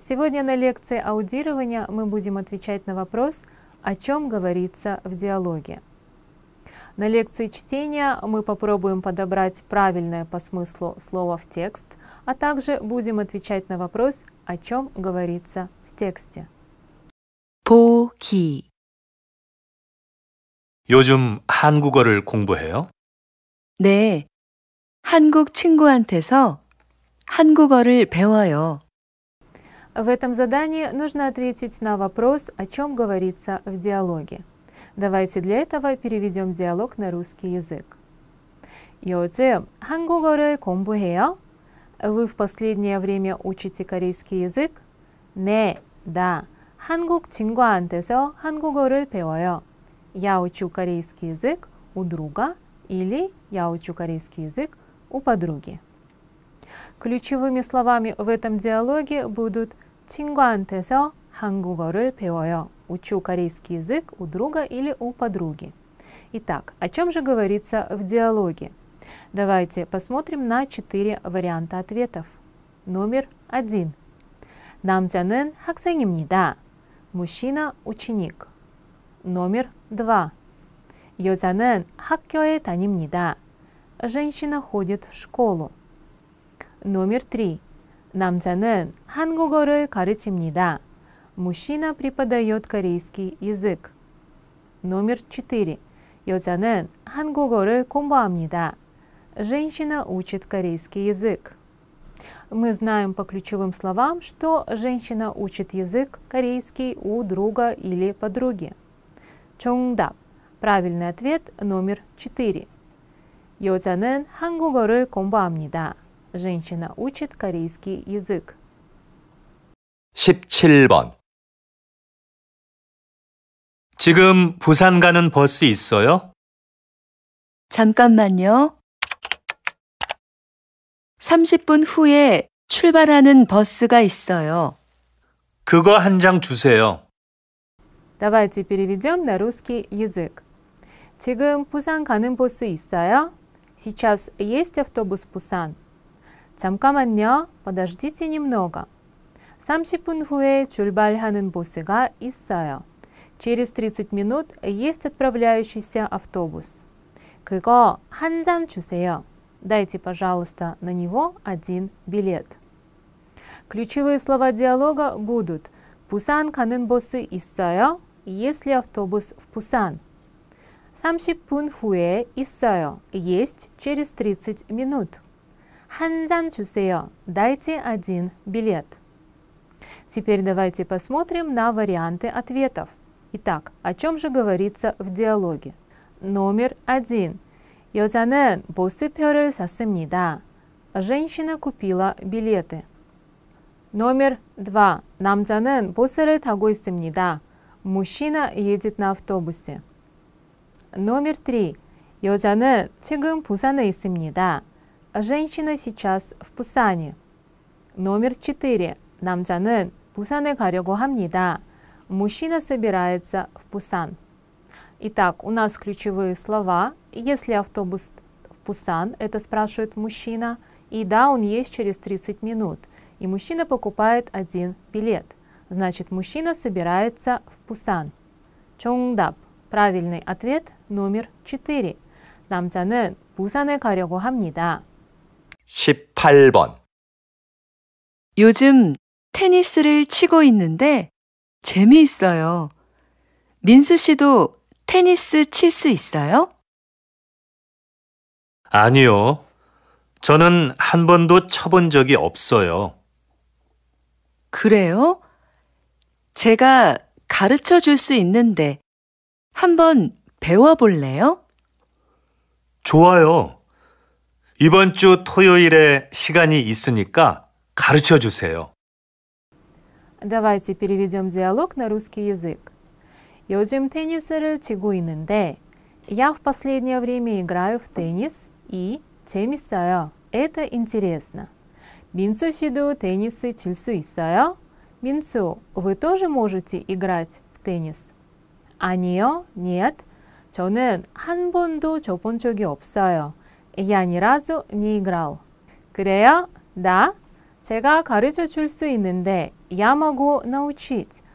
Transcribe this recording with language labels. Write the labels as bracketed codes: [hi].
[ru] Сегодня на лекции аудирования мы будем отвечать на вопрос, о чем говорится в диалоге. На лекции чтения мы попробуем подобрать правильное по смыслу слово в текст, а также будем отвечать на вопрос, о чем говорится в тексте. [ko] 포기. 요즘 한국어를 공부해요? 네, 한국 친구한테서 한국어를 배워요. [ru] В этом задании нужно ответить на вопрос, о чем говорится в диалоге. Давайте для этого переведем диалог на русский язык. [ko] 요즘 한국어를 공부해요? [ru] Вы в последнее время учите корейский язык? [ko] 네, 다. 한국 친구한테서 한국어를 배워요. [ru] Я учу корейский язык у друга или я учу корейский язык у подруги. Ключевыми словами в этом диалоге будут [ko] 친구한테서 한국어를 배워요. [ru] Учу корейский язык у друга или у подруги. Итак, о чем же говорится в диалоге? Давайте посмотрим на 4 варианта ответов. Номер 1. [ko] 남자는 학생입니다. [ru] Мужчина – ученик. Номер 2. [ko] 여자는 학교에 다닙니다. [ru] Женщина ходит в школу. Номер 3. [ko] 남자는 한국어를 가르칩니다. [ru] Мужчина преподает корейский язык. Номер 4. [ko] 여자는 한국어를 공부합니다. [ru] Женщина учит корейский язык. Мы знаем по ключевым словам, что женщина учит язык корейский у друга или подруги. [ko] 정답. [ru] Правильный ответ номер 4. [ko] 여자는 한국어를 공부합니다. [ru] Женщина учит корейский язык. [ko] 17번. 지금 부산 가는 버스 있어요? 잠깐만요. 30분 후에 출발하는 버스가 있어요. 그거 한 장 주세요. [ru] Давайте переведем на русский язык. [ko] 지금 부산 가는 버스 있어요? [ru] Сейчас есть автобус в Пусан. [ko] 잠깐만요. [ru] Подождите немного. [ko] 30분 후에 출발하는 버스가 있어요. [ru] Через 30 минут есть отправляющийся автобус. [ko] 그거 한 장 주세요. [ru] Дайте, пожалуйста, на него один билет. Ключевые слова диалога будут [ko] 부산 가는 버스 있어요? [ru] Есть ли автобус в Пусан? [ko] 30분 후에 있어요? [ru] Есть через 30 минут. [ko] 한 잔 주세요. [ru] Дайте один билет. Теперь давайте посмотрим на варианты ответов. Итак, о чем же говорится в диалоге? Номер 1. [ko] 여자는 버스표를 샀습니다. [ru] Женщина купила билеты. Номер 2. [ko] 남자는 버스를 타고 있습니다. [ru] Мужчина едет на автобусе. Номер 3. [ko] 여자는 지금 부산에 있습니다. [ru] Женщина сейчас в Пусане. Номер 4. [ko] 남자는 부산에 가려고 합니다. [ru] Мужчина собирается в Пусан. Итак, у нас ключевые слова. Если автобус в Пусан, это спрашивает мужчина. И да, он есть через 30 минут. И мужчина покупает один билет. Значит, мужчина собирается в Пусан. [ko] 정답. [ru] Правильный ответ номер 4. [ko] 남자는 부산에 가려고 합니다. 18번. 요즘 테니스를 치고 있는데 재미있어요. 민수 씨도 테니스 칠 수 있어요? 아니요. 저는 한 번도 쳐본 적이 없어요. 그래요? 제가 가르쳐 줄 수 있는데 한번 배워볼래요? 좋아요. 이번 주 토요일에 시간이 있으니까 가르쳐 주세요. [ru] Давайте переведем диалог на русский язык. [ko] 요즘 테니스를 치고 있는데 [ru] Я в последнее время играю в теннис и [ko] 재밌어요. [ru] Это интересно. [ko] 민수 씨도 테니스 칠 수 있어요? [ru] 민수, вы тоже можете играть в теннис? [ko] 아니요, [ru] нет. [ko] 저는 한 번도 접은 적이 없어요. [ru] Я ни разу не играл. [ko] 그래요? [ru] Да? [ko] 제가 가르쳐 줄 수 있는데 [ru] Я могу научить.